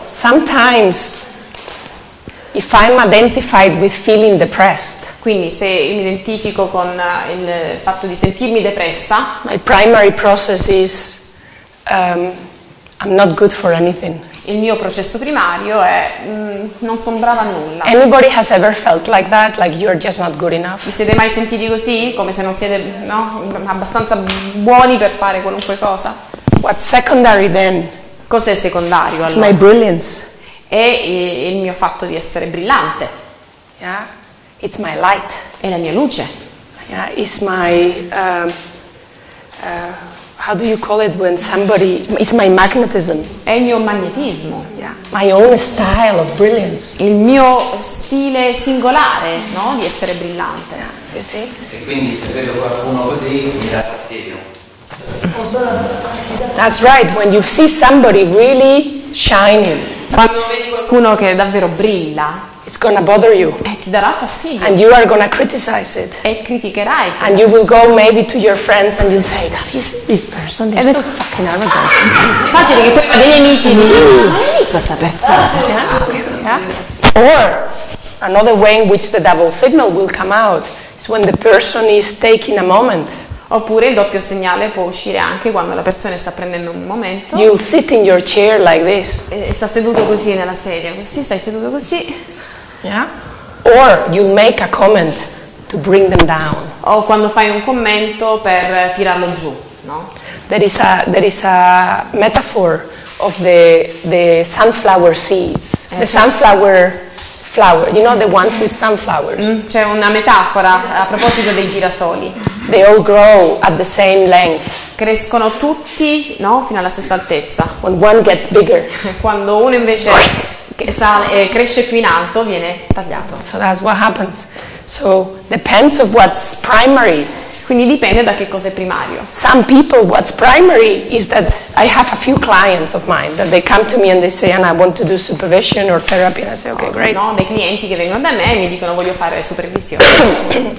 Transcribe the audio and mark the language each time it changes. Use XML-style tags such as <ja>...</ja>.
<en>So, sometimes if I'm identified with feeling depressed,</en> <it>quindi se mi identifico con il fatto di sentirmi depressa,</it> <en>my primary process is I'm not good for anything.</en> <it>Il mio processo primario è non son brava a nulla.</it> <en>Anybody has ever felt like that, like you're just not good enough?</en> <it>Vi siete mai sentiti così, come se non siete abbastanza buoni per fare qualunque cosa?</it> <en>What's secondary then?</en> <it>Cos'è secondario allora?</it> <en>It's my brilliance.</en> <it>È il mio fatto di essere brillante.</it> <en>Yeah. It's my light.</en> <it>È la mia luce.</it> <en>Yeah, it's my how do you call it when somebody? It's my magnetism.</en> <it>È il mio magnetismo.</it> <en>Yeah. My own style of brilliance.</en> <it>Il mio stile singolare, no? Di essere brillante.</it> <en>Yeah. You see?</en> <it>E quindi se vedo qualcuno così mi dà fastidio.</it> <en>That's right. When you see somebody really shining.</en> <it>Quando vedi qualcuno che davvero brilla.</it> <en>It's gonna bother you.</en> <it>E ti darà fastidio.</it> <en>And you are gonna criticize it.</en> <it>E criticherai.</it> <en>And you will go maybe to your friends and you'll say, God, this person is so fucking arrogant.</en> <it>Facile che poi va degli amici e dici, ma hai visto questa persona?</it> <en>Or another way in which the double signal will come out is when the person is taking a moment.</en> <it>Oppure il doppio segnale può uscire anche quando la persona sta prendendo un momento.</it> <en>You'll sit in your chair like this.</en> <it>E sta seduto così nella sedia. Così stai seduto così.</it> <en>Yeah. Or you make a comment to bring them down.</en> <it>O quando fai un commento per tirarlo giù, no?</it> <en>There is a metaphor of the sunflower seeds. The sunflower flower, you know, the ones with sunflowers.</en> <it>C'è una metafora a proposito dei girasoli.</it> <en>They all grow at the same length.</en> <it>Crescono tutti, no, fino alla stessa altezza.</it> <en>When one gets bigger.</en> <it>Quando uno invece cresce più in alto, viene tagliato.</it> <en>So that's what happens. So depends of what's primary.</en> <it>Quindi dipende da che cosa è primario.</it> <en>Some people, what's primary is that I have a few clients of mine that they come to me and they say, and I want to do supervision or therapy. And I say, okay, great.</en> <it>No, dei clienti che vengono da me e mi dicono, voglio fare supervisione.</it>